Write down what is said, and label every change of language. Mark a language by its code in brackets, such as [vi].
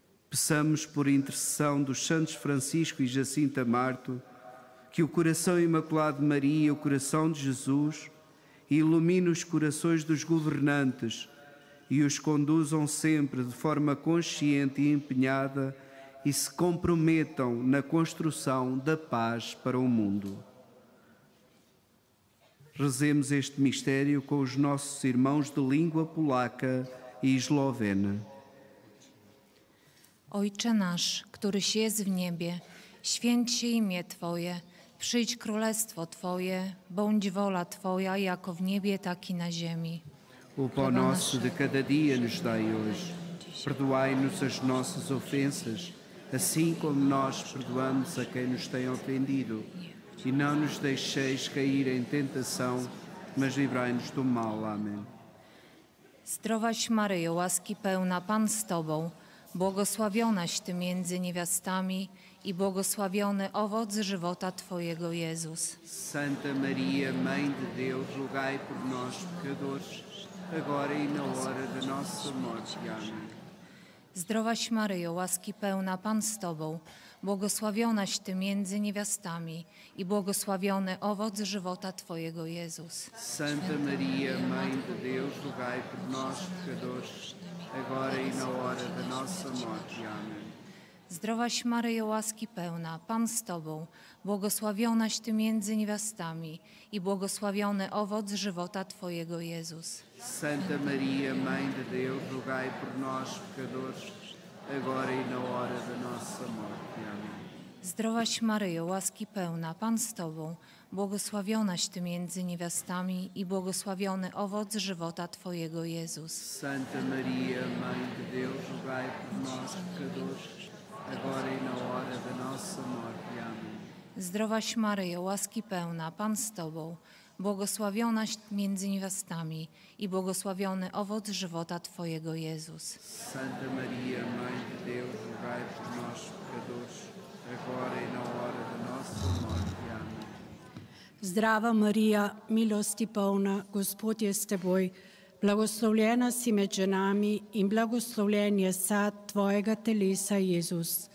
[pt] Peçamos por intercessão dos santos Francisco e Jacinta Marto, que o coração imaculado de Maria e o coração de Jesus ilumine os corações dos governantes e os conduzam sempre de forma consciente e empenhada e se comprometam na construção da paz para o mundo." Rezemos este mistério com os nossos irmãos de língua polaca e eslovena. [pl] Ojcze nasz, któryś jest w niebie, święć się imię Twoje, przyjdź królestwo Twoje, bądź wola Twoja, jako w niebie, tak i na ziemi. [pt] O pão nosso de cada dia nos dai hoje, perdoai-nos as nossas ofensas, assim como nós perdoamos a quem nos tem ofendido. E não nos deixeis cair em tentação, mas livrai-nos do mal. Amém. [pl] Zdrowaś Maryjo, łaski pełna, Pan z Tobą, błogosławionaś Ty między niewiastami i błogosławiony owoc żywota Twojego, Jezus. [pt] Santa Maria, Mãe de Deus, rogai por nós, pecadores, agora e na hora da nossa morte. Amém. [pl] Zdrowaś Maryjo, łaski pełna, Pan z Tobą, błogosławionaś Ty między niewiastami i błogosławiony owoc żywota Twojego, Jezus. [pt] Santa Maria, Mãe de Deus, rogai por nós, pecadores, agora i na hora da nossa morte. Amen. [pl] Zdrowaś Maryjo, łaski pełna, Pan z Tobą, błogosławionaś Ty między niewiastami i błogosławiony owoc żywota Twojego, Jezus. [pt] Santa Maria, Mãe de Deus, rogai por nós, pecadores, agora i na hora da nossa morte. Amen. [pl] Zdrowaś Maryjo, łaski pełna, Pan z Tobą, błogosławionaś Ty między niewiastami i błogosławiony owoc żywota Twojego, Jezus. [pt] Santa Maria, Mãe de Deus, rogai por nós, pecadores, agora i na hora da nossa morte. Amen. [pl] Zdrowaś Maryjo, łaski pełna, Pan z Tobą, błogosławionaś między niewiastami i błogosławiony owoc żywota Twojego, Jezus. [pt] Santa Maria, Mãe de Deus, rogai por nós, pecadores, agora i na hora da nossa morte. Amen. [sl] Zdrava Maria, milosti pełna, Gospod je s Teboj, blagoslovljena si med ženami in blagoslovljen je sad Tvojega telesa, Jezus.